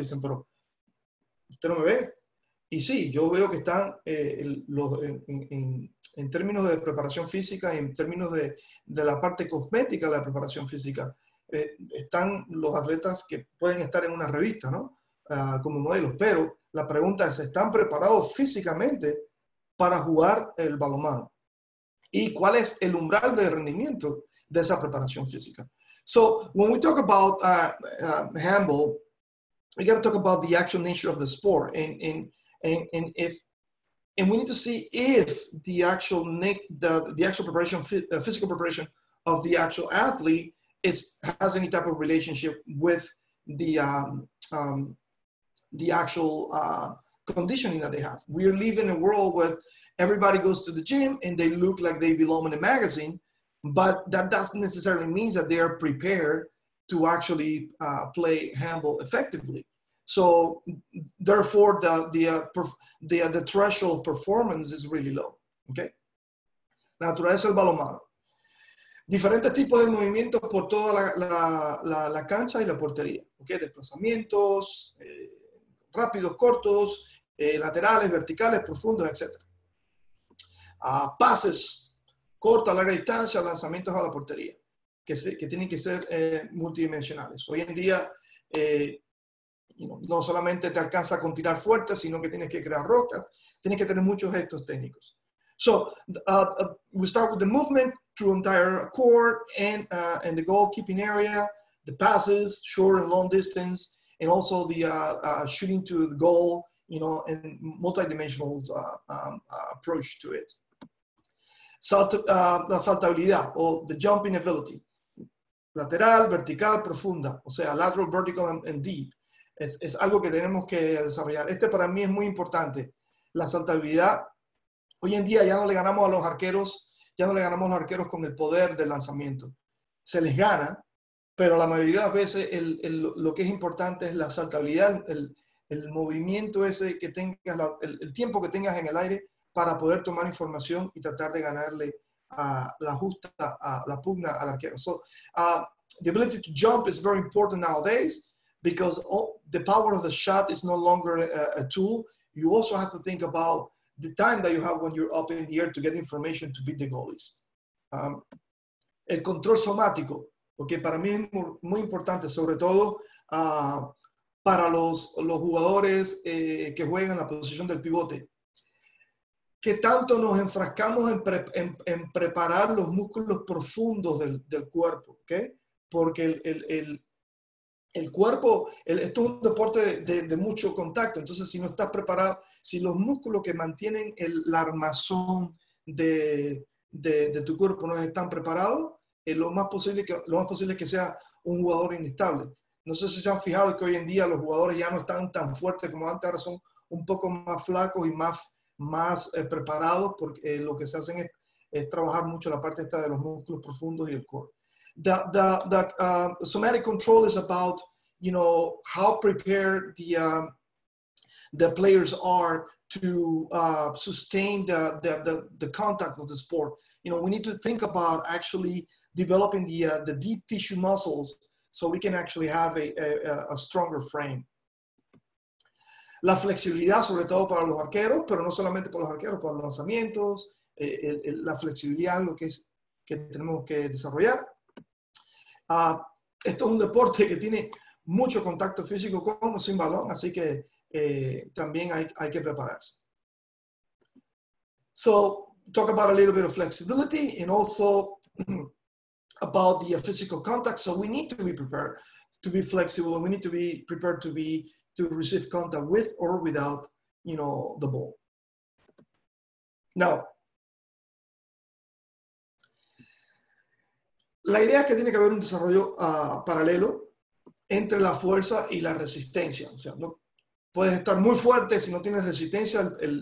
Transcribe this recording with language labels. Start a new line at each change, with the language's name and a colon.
Spanish: Y te dicen, pero usted no me ve. Y sí, yo veo que están en términos de preparación física, en términos de la parte cosmética de la preparación física, están los atletas que pueden estar en una revista, ¿no? Como modelos. Pero la pregunta es, ¿están preparados físicamente para jugar el balonmano? ¿Y cuál es el umbral de rendimiento de esa preparación física?
English: So, when we talk about handball, we got to talk about the actual nature of the sport and we need to see if physical preparation of the actual athlete has any type of relationship with the actual conditioning that they have. We live in a world where everybody goes to the gym and they look like they belong in a magazine. But that doesn't necessarily mean that they are prepared to actually play handball effectively. So therefore, the threshold performance is really low.
Spanish: Okay. Naturaleza del balonmano. Diferentes tipos de movimientos por toda la cancha y la portería. Okay. Desplazamientos rápidos, cortos, laterales, verticales, profundos, etc. Pases. Corto, a larga distancia, lanzamientos a la portería, que tienen que ser multidimensionales. Hoy en día, no solamente te alcanza con tirar fuerte, sino que tienes que crear rocas, tienes que tener muchos gestos técnicos.
English: So, we start with the movement through entire court and in the goalkeeping area, the passes, short and long distance, and also the shooting to the goal, you know, and multidimensional approach to it.
Spanish: La saltabilidad o
English: the jumping ability,
Spanish: lateral, vertical, profunda, o sea, lateral, vertical,
English: and deep,
Spanish: es algo que tenemos que desarrollar. Este para mí es muy importante, la saltabilidad. Hoy en día ya no le ganamos a los arqueros, con el poder del lanzamiento. Se les gana, pero la mayoría de las veces lo que es importante es la saltabilidad, el movimiento ese que tengas, el tiempo que tengas en el aire, para poder tomar información y tratar de ganarle la pugna al arquero.
English: So, the ability to jump is very important nowadays because the power of the shot is no longer a tool. You also have to think about the time that you have when you're up in the air to get information to beat the goalies.
Spanish: El control somático, porque para mí es muy importante, sobre todo para los jugadores que juegan en la posición del pivote. ¿Qué tanto nos enfrascamos en preparar los músculos profundos del cuerpo? ¿Okay? Porque el cuerpo, esto es un deporte de mucho contacto. Entonces, si no estás preparado, si los músculos que mantienen la armazón de tu cuerpo no están preparados, lo más posible es que sea un jugador inestable. No sé si se han fijado que hoy en día los jugadores ya no están tan fuertes como antes, ahora son un poco más flacos y más preparados, porque lo que se hacen es trabajar mucho la parte esta de los músculos profundos y el core.
English: The somatic control is about, you know, how prepared the players are to sustain the contact of the sport. You know, we need to think about actually developing the deep tissue muscles so we can actually have a stronger frame.
Spanish: La flexibilidad, sobre todo para los arqueros, pero no solamente para los arqueros, para los lanzamientos, la flexibilidad lo que es que tenemos que desarrollar. Esto es un deporte que tiene mucho contacto físico con o sin balón, así que también hay que prepararse.
English: So, talk about a little bit of flexibility and also about the physical contact. So we need to be prepared to be flexible. We need to be prepared to receive contact with or without, you know, the ball.
Spanish: Now, la idea es que tiene que haber un desarrollo paralelo entre la fuerza y la resistencia. O sea, no puedes estar muy fuerte si no tienes resistencia.